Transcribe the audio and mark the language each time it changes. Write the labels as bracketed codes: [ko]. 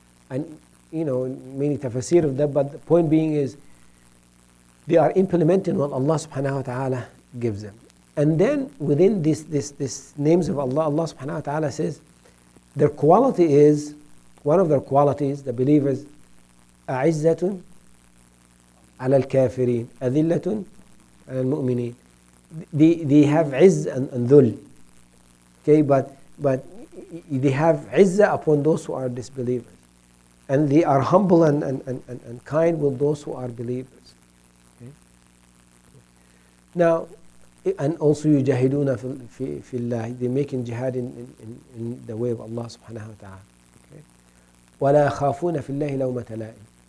[en] And, you know, many tafsir of that, but the point being is, they are implementing what Allah subhanahu wa ta'ala gives them. And then, within this names of Allah, Allah subhanahu wa ta'ala says, their quality is, one of their qualities, the believers, أَعِزَّةٌ [ar] على الكافرين أذلة على المؤمنين. [en] They have عز and ذل. Okay, but they have عز upon those who are disbelievers. And they are humble and kind with those who are believers. Okay. Now, and also يجاهدون في الله. They're making jihad in the way of Allah subhanahu wa ta'ala. Okay. [ar] ولا يخافون في الله لومة لائم.